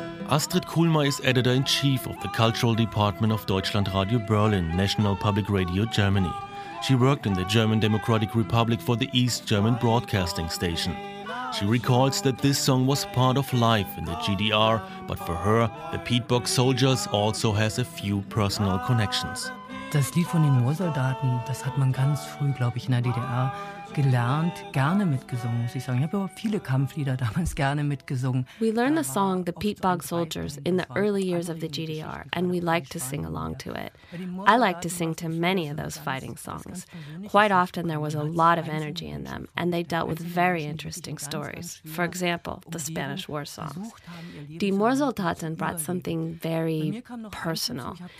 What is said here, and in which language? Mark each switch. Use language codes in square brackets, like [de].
[en] Astrid Kulmer is editor-in-chief of the cultural department of Deutschlandradio Berlin, National Public Radio Germany. She worked in the German Democratic Republic for the East German Broadcasting Station. She recalls that this song was part of life in the GDR, but for her, the Peatbox Soldiers also has a few personal connections. [de] Das Lied von den Moorsoldaten, das hat man ganz früh, glaube ich, in der DDR gelernt, gerne mitgesungen, muss ich sagen. Ich habe aber viele Kampflieder damals gerne mitgesungen. [en] We learned the song The Peatbox Soldiers in the early years of the GDR and we liked to sing along to it. I liked to sing to many of those fighting songs. Quite often there was a lot of energy in them and they dealt with very interesting stories. For example, the Spanish War songs. Die Moorsoldaten brought something very personal.